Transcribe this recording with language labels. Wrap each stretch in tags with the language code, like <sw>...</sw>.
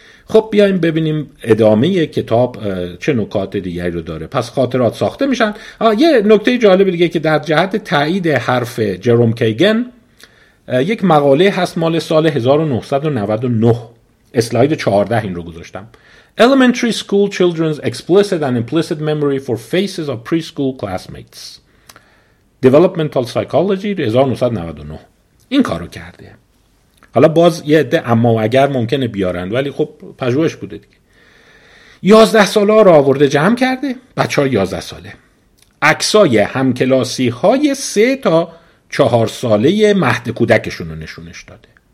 <fa>خب بیایم ببینیم ادامه کتاب چه نکات دیگری رو داره. پس خاطرات ساخته میشن. یه نکته جالب دیگه که در جهت تایید حرف جروم کیگن، یک مقاله هست مال سال 1999، اسلاید 14 این رو گذاشتم.</fa> <en>Elementary school children's explicit and implicit memory for faces of preschool classmates.</en> <fa>Developmental psychology 1999. این کارو کرده. حالا باز یه عده اما و اگر ممکنه بیارن، ولی خب پژوهش بوده دیگه. 11 ساله را آورده جمع کرده، بچه های 11 ساله، عکسای همکلاسی های 3 تا 4 ساله مهد کودکشون رو نشونش داده.</fa>